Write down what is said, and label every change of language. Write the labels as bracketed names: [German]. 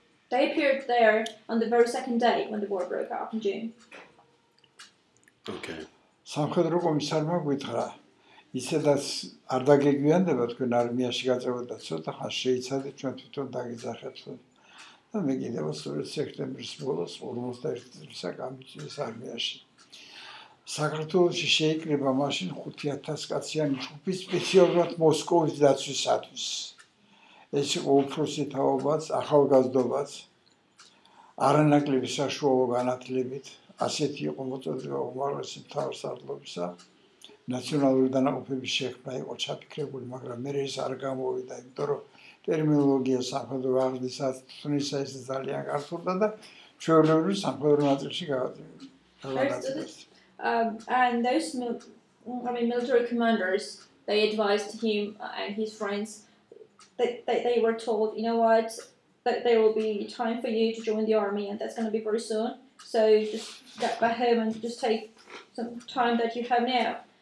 [English] They appeared there on the very second day when the war broke out in June. Okay. [Georgian] სამხედრო კომისარმა გითხრა, ისედაც არ დაგეგვიანდება თქვენ არმიაში გაწევა, ცოტა ხანს შეიძლება ჩვენ თვითონ დაგიძახებთ. Და მე კიდევ სწორედ სექტემბრის ბოლოს 51 წელსა გამიწვიეს არმიაში. საქართველოში შეიკრება მაშინ 5000 კაციანი ჯგუფი სპეციალურად მოსკოვის დაცვისათვის. ეს იყო უფროსი თაობაც, ახალგაზრდობაც, არანაკლები საშუალო განათლებით, ასეთი იყო მოწოდება უმაღლესი მთავარსარდლობისა, ნაციონალური დანაყოფების შექმნა იყო ჩაფიქრებული, მაგრამ მერე ეს არ გამოვიდა, იმიტომ რომ ტერმინოლოგია სამხედრო აღზრდისას, თუნდაც ეს ძალიან გართულდა და ჩვეულებრივ სამხედრო ნაწილში გავაწევეს. [English] And those military commanders, they advised him and his friends that they were told, you know what, that there will be time for you to join the army and that's going to be very soon. So just get back home and just take some time that you have now.